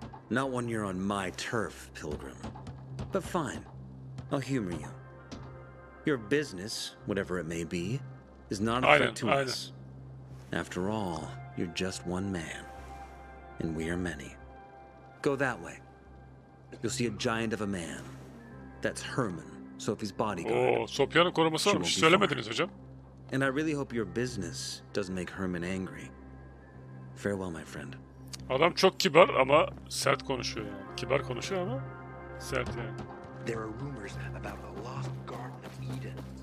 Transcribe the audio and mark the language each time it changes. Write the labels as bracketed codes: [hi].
[en] Not when you're on my turf, pilgrim. But fine, I'll humor you. Your business, whatever it may be, is not a threat to us. After all, you're just one man. And we are many. Go that way. You'll see a giant of a man. That's Herman. Sophie's bodyguard. [tr] Oh, Sophia'nın koruması varmış. Söylemediniz hocam. [en] And I really hope your business doesn't make Herman angry. Farewell, my friend. [tr] Adam çok kibar ama sert konuşuyor yani. Kibar konuşuyor ama sert yani. [en] There are rumors about a lost garden of Eden.